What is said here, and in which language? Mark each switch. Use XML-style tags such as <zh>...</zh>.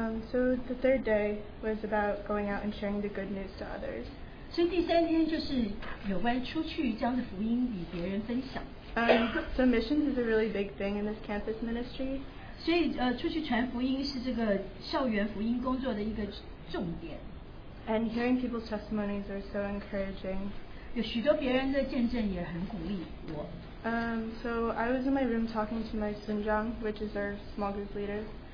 <en>So the third day was about going out and sharing the good news to others.</en> <zh>所以第三天就是有关出去将这福音与别人分享。</zh> <en>So missions is a really big thing in this campus ministry.</en> <zh>所以出去传福音是这个校园福音工作的一个重点。</zh> <en>And hearing people's testimonies are so encouraging.</en> <zh>有许多别人的见证也很鼓励我。</zh> <en>So I was in my room talking to my Sunjang, which is our small group leader.</en>